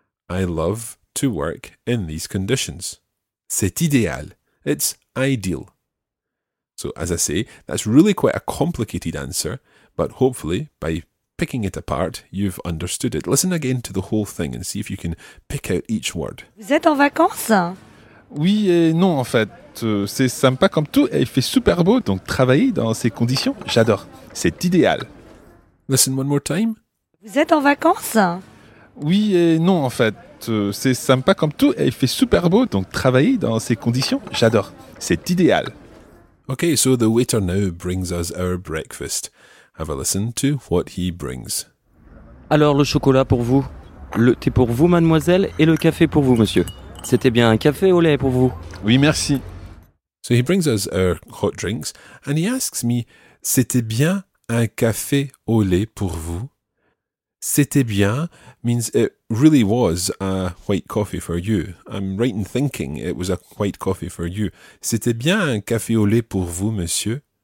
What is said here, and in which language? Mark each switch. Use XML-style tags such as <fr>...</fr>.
<en>I love to work in these conditions.</en> <fr>C'est idéal.</fr> <en>It's ideal. So, as I say, that's really quite a complicated answer, but hopefully, by picking it apart, you've understood it. Listen again to the whole thing and see if you can pick out each word.</en> <fr>Vous êtes en vacances? Oui et non, en fait. C'est sympa comme tout et il fait super beau, donc travailler dans ces conditions, j'adore. C'est idéal.</fr> <en>Listen one more time.</en> <fr>Vous êtes en vacances? Oui et non, en fait. C'est sympa comme tout et il fait super beau, donc travailler dans ces conditions, j'adore. C'est idéal.</fr> <en>Okay, so the waiter now brings us our breakfast. Have a listen to what he brings.</en> <fr>Alors, le chocolat pour vous. Le thé pour vous, mademoiselle, et le café pour vous, monsieur. C'était bien un café au lait pour vous. Oui, merci.</fr> <en>So he brings us our hot drinks, and he asks me,</en> <fr>c'était bien un café au lait pour vous? C'était bien</fr> <en>means it really was a white coffee for you. I'm right in thinking it was a white coffee for you.</en> <fr>C'était bien un café au lait pour vous, monsieur?</fr>